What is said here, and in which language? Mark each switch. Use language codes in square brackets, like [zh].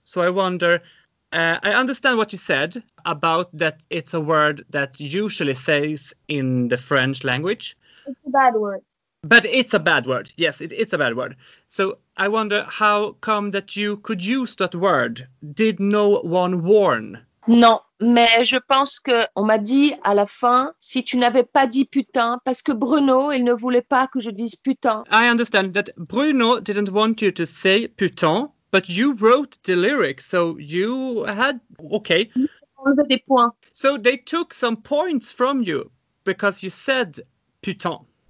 [en] So I wonder, I understand what you said about that it's a word that usually says in the French language. It's a bad word. But it's a bad word. Yes, it's a bad word. So I wonder how come that you could use that word? Did no one warn? [fr] Non, mais je pense qu'on m'a dit à la fin, si tu n'avais pas dit putain, parce que Bruno, il ne voulait pas que je dise putain. [en] I understand that Bruno didn't want you to say putain, but you wrote the lyrics, so you had, okay. [fr] Des points. [en] So they took some points from you, because you said putain.